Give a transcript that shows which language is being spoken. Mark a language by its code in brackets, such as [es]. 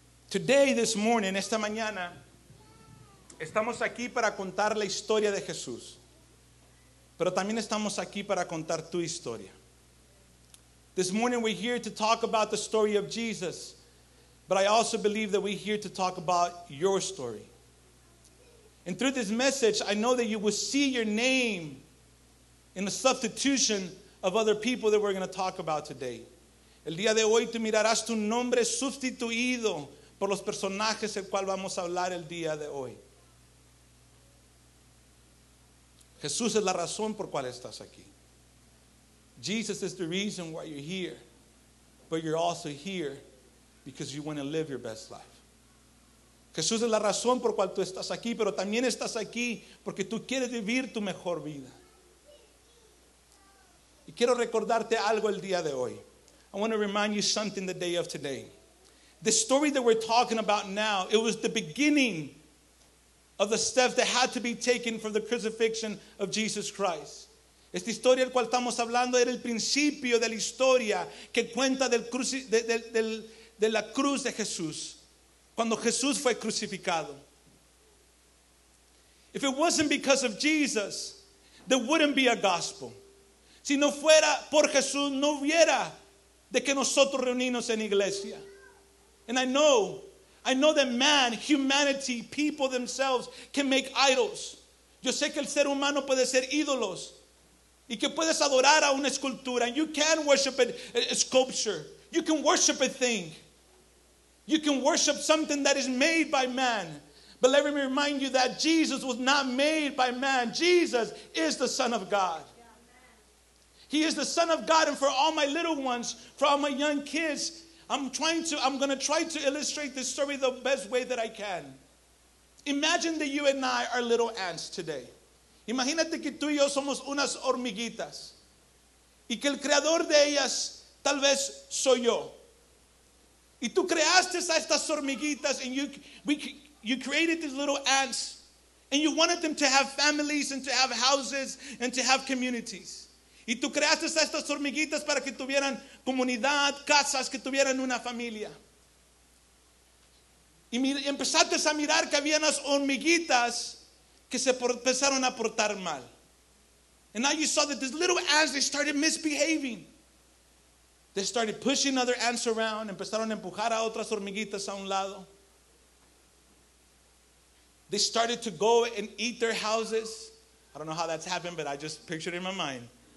[en] Today, this morning, [es] esta mañana, estamos aquí para contar la historia de Jesús. Pero también estamos aquí para contar tu historia. [en] This morning, we're here to talk about the story of Jesus. But I also believe that we're here to talk about your story. And through this message, I know that you will see your name in the substitution of other people that we're going to talk about today. [es] El día de hoy, tú mirarás tu nombre sustituido por los personajes del cual vamos a hablar el día de hoy. Jesús es la razón por cual estás aquí. [en] Jesus is the reason why you're here. But you're also here because you want to live your best life. [es] Jesús es la razón por cual tú estás aquí, pero también estás aquí porque tú quieres vivir tu mejor vida. Y quiero recordarte algo el día de hoy. [en] I want to remind you something the day of today. The story that we're talking about now, it was the beginning of the steps that had to be taken for the crucifixion of Jesus Christ. [es] Esta historia del cual estamos hablando era el principio de la historia que cuenta de la cruz de Jesús, cuando Jesús fue crucificado. [en] If it wasn't because of Jesus, there wouldn't be a gospel. [es] Si no fuera por Jesús, no hubiera de que nosotros reunirnos en iglesia. [en] And I know that man, humanity, people themselves can make idols. [es] Yo sé que el ser humano puede ser ídolos. Y que puedes adorar a una escultura. [en] And you can worship a sculpture. You can worship a thing. You can worship something that is made by man. But let me remind you that Jesus was not made by man. Jesus is the Son of God. He is the Son of God. And for all my little ones, for all my young kids, I'm going to try to illustrate this story the best way that I can. Imagine that you and I are little ants today. [es] Imagínate que tú y yo somos unas hormiguitas. Y que el creador de ellas tal vez soy yo. Y tú creaste a estas hormiguitas [en] and you created these little ants and you wanted them to have families and to have houses and to have communities. [es] Y tú creaste a estas hormiguitas para que tuvieran comunidad, casas, que tuvieran una familia. Y empezaste a mirar que había unas hormiguitas que se empezaron a portar mal. [en] And now you saw that these little ants, they started misbehaving. They started pushing other ants around. Empezaron a empujar a otras hormiguitas a un lado. They started to go and eat their houses. I don't know how that's happened, but I just pictured it in my mind.